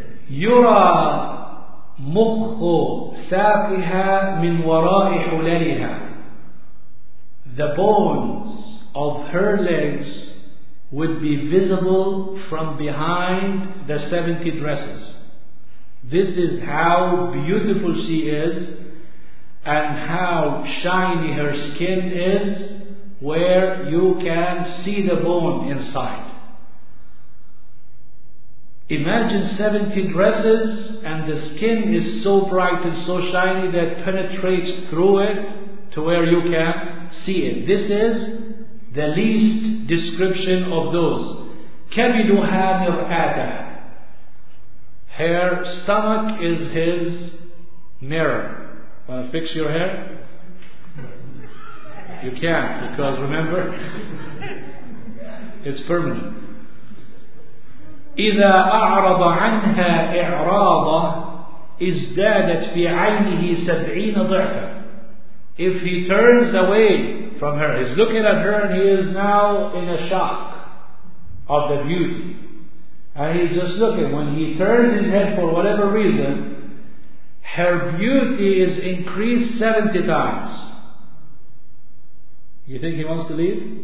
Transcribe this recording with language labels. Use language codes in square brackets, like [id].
[ar] يرى مخ ساقها من وراء حللها. [en] The bones of her legs would be visible from behind the 70 dresses. This is how beautiful she is and how shiny her skin is, where you can see the bone inside. Imagine 70 dresses and the skin is so bright and so shiny that penetrates through it to where you can see it. This is the least description of those. [ar] كبدها مرآتا. [en] Her stomach is his mirror. Want to fix your hair? You can't, because remember, it's permanent. [ar] إذا أعرض عنها إعراضا ازدادت في عينه سبعين ضعفا. [en] If he turns away from her, he's looking at her and he is now in a shock of the beauty. And he's just looking. When he turns his head for whatever reason, her beauty is increased 70 times. You think he wants to leave?